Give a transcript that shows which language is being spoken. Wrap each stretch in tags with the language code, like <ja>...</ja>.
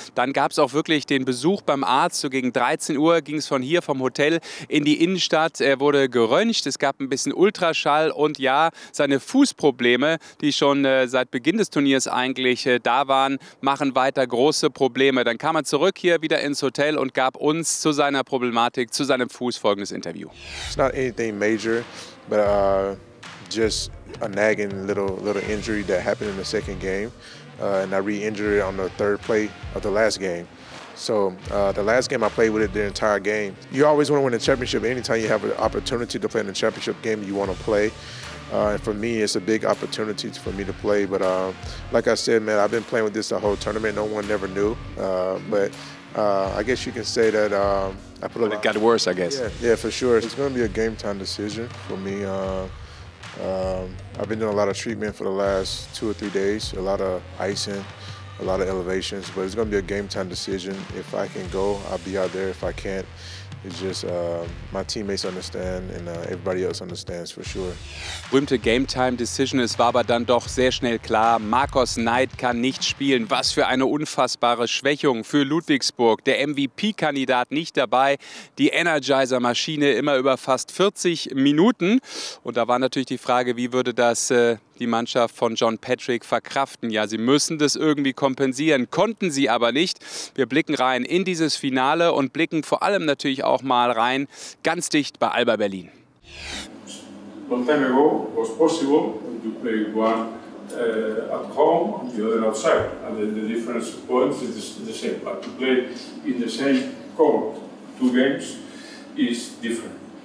<de>Dann gab es auch wirklich den Besuch beim Arzt. So gegen 13 Uhr ging es von hier vom Hotel in die Innenstadt. Er wurde geröntgt, es gab ein bisschen Ultraschall und ja, seine Fußprobleme, die schon seit Beginn des Turniers eigentlich da waren, machen weiter große Probleme. Dann kam er zurück hier wieder ins Hotel und gab uns zu seiner Problematik, zu seinem Fuß folgendes Interview.</de> <en>It's not anything major, but just a nagging little injury that happened in the second game, and I re-injured it on the third play of the last game. So the last game I played with it the entire game. You always want to win a championship. Anytime you have an opportunity to play in a championship game, you want to play. And for me, it's a big opportunity for me to play. But like I said, man, I've been playing with this the whole tournament. No one never knew, but. I guess you can say that I put a lot. It got worse, I guess. Yeah, for sure. It's going to be a game time decision for me. I've been doing a lot of treatment for the last 2 or 3 days, a lot of icing, a lot of elevations, but it's going to be a game time decision. If I can go, I'll be out there. If I can't, it's just my teammates understand and everybody else understands for sure.</en> <de>Berühmte Game Time Decision. Es war aber dann doch sehr schnell klar, Marcos Knight kann nicht spielen. Was für eine unfassbare Schwächung für Ludwigsburg. Der MVP-Kandidat nicht dabei. Die Energizer-Maschine immer über fast 40 Minuten. Und da war natürlich die Frage, wie würde das die Mannschaft von John Patrick verkraften. Ja, sie müssen das irgendwie kompensieren, konnten sie aber nicht. Wir blicken rein in dieses Finale und blicken vor allem natürlich auch mal rein ganz dicht bei Alba Berlin.</de> <en>One time ago was possible to play one at home and the other outside. And then the difference points is the same. But to play in the same court two games is different.</en>